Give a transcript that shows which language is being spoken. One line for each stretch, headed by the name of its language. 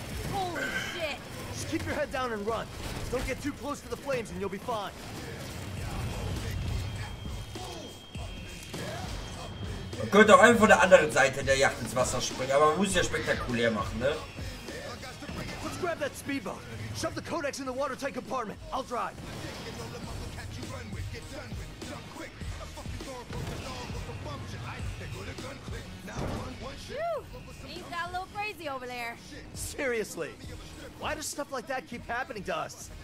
English: Holy shit! Just keep your head down and run. Don't get too close to the flames and you'll be fine.
German: Man könnte auch einfach von der anderen Seite der Yacht ins Wasser springen, aber man muss es ja spektakulär machen, ne?
English: Let's grab that speedboat. Shove the codex in the water tank compartment. I'll drive. Things got a little crazy over there. Seriously, why does stuff like that keep happening to us?